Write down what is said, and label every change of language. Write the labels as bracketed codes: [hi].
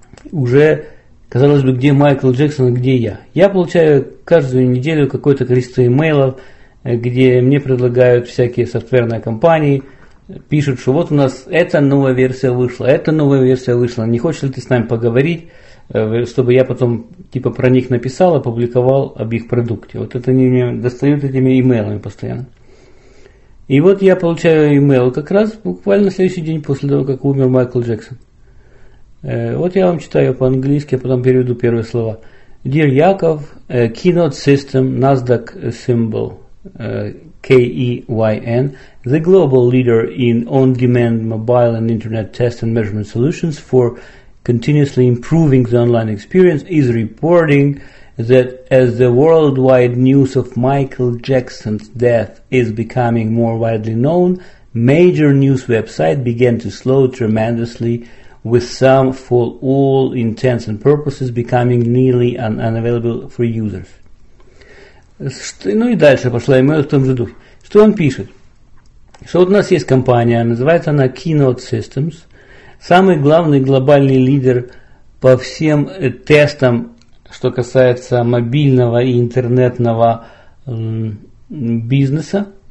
[ru] Уже, казалось бы, где Майкл Джексон, где я? Я получаю каждую неделю какое-то количество имейлов, где мне предлагают всякие софтверные компании, пишут, что вот у нас эта новая версия вышла, эта новая версия вышла, не хочешь ли ты с нами поговорить, чтобы я потом типа про них написал, опубликовал об их продукте. Вот это они мне достают этими имейлами постоянно. И вот я получаю имейл как раз буквально на следующий день после того, как умер Майкл Джексон. Вот я вам читаю по-английски, а потом переведу первые слова. [en] Dear Yakov, Keynote System, Nasdaq Symbol. KEYN, the global leader in on-demand mobile and internet test and measurement solutions for continuously improving the online experience, is reporting that as the worldwide news of Michael Jackson's death is becoming more widely known, major news websites began to slow tremendously, with some for all intents and purposes becoming nearly unavailable for users. [ru] Ну и дальше пошла email в том же духе. Что он пишет? Что вот у нас есть компания, называется она Keynote Systems. Самый главный глобальный лидер по всем тестам, что касается мобильного и интернетного бизнеса.